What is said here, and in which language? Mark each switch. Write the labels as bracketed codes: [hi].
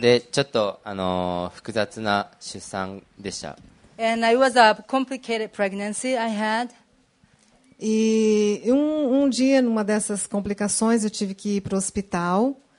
[ja] で、ちょっと、複雑な出産でした。 [en] And it was a complicated pregnancy I had. [pt] E um dia, numa dessas complicações, eu tive que ir para o hospital.